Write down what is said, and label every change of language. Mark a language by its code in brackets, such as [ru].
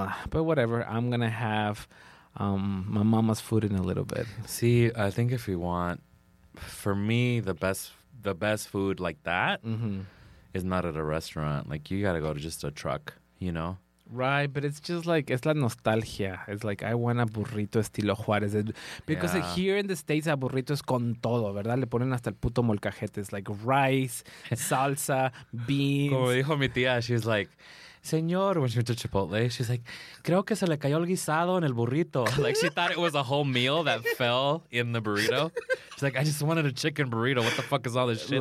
[en] But whatever. I'm going to have my mama's food in a little bit. See, I think if you want, for me, the best food like that is not at a restaurant. Like, you got to go to just a truck, you know? Right, but it's just like, it's [es] la nostalgia. [en] It's like, I want a burrito [es] estilo Juárez. [en] Because here in the States, a burrito [es] es con todo, ¿verdad? Le ponen hasta el puto molcajete. [en] It's like rice, salsa, beans. [es] Como dijo mi tía, [en] she's like, [es] señor, [en] when she went to Chipotle, she's like, [es] creo que se le cayó el guisado en el burrito. [en] Like, she thought it was a whole meal that fell in the burrito. She's like, I just wanted a chicken burrito. What the fuck is all this shit